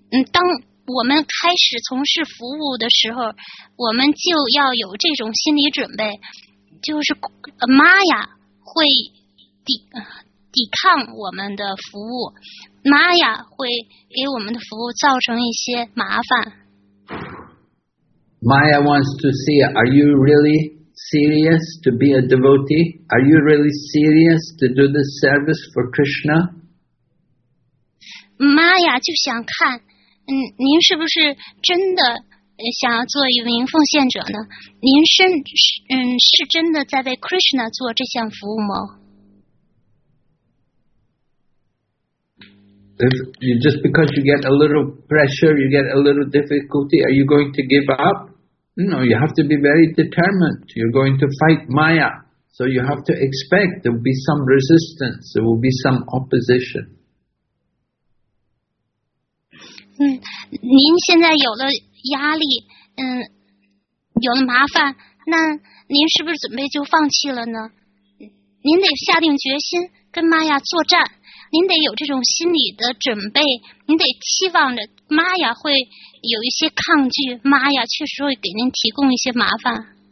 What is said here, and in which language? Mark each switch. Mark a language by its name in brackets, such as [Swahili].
[Chinese] 当我们开始从事服务的时候，我们就要有这种心理准备，就是玛雅会抵抗我们的服务，玛雅会给我们的服务造成一些麻烦。 [English] Maya wants to see, are you really serious to be a devotee? Are you really serious to do this service for Krishna? [Chinese] Maya 就想看。您是不是真的想要做一名奉献者呢？您 是真的在为 Krishna 做这项服务吗？ [English] If you, just because you get a little pressure, you get a little difficulty, are you going to give up? No, you have to be very determined. You're going to fight Maya. So you have to expect there will be some resistance, there will be some opposition. [Chinese] 您现在有了压力，有了麻烦，那您是不是准备就放弃了呢？您得下定决心跟玛雅作战，您得有这种心理的准备，您得期望着玛雅会有一些抗拒，玛雅确实会给您提供一些麻烦。